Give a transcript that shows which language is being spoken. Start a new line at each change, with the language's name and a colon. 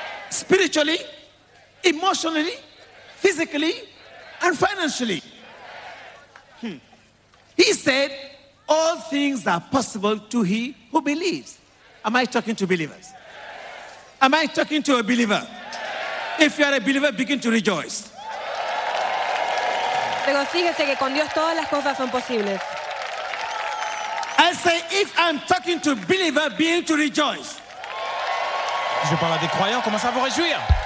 English: Spiritually, emotionally, physically, and financially. He said, all things are possible to he who believes. Am I talking to believers? Am I talking to a believer? If you are a believer, begin to rejoice.
Spanish: Regocíjese que con Dios todas las cosas son posibles.
English: I say, if I'm talking to believers, begin to rejoice.
French: Je parle à des croyants, commence à vous réjouir.